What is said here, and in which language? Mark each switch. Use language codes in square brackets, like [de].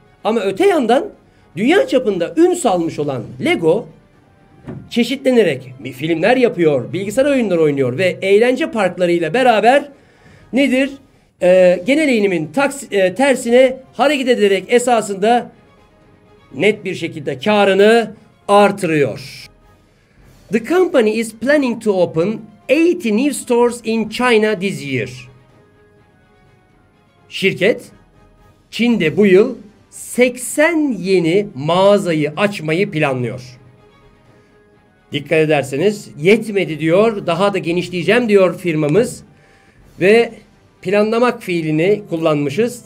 [tr] Ama öte yandan dünya çapında ün salmış olan Lego çeşitlenerek bir filmler yapıyor, bilgisayar oyunları oynuyor ve eğlence parklarıyla beraber nedir? Genel eğilimin tersine hareket ederek esasında net bir şekilde karını artırıyor. [en] The company is planning to open 80 new stores in China this year. [tr] şirket Çin'de bu yıl 80 yeni mağazayı açmayı planlıyor. Dikkat ederseniz yetmedi diyor, daha da genişleyeceğim diyor firmamız ve planlamak fiilini kullanmışız.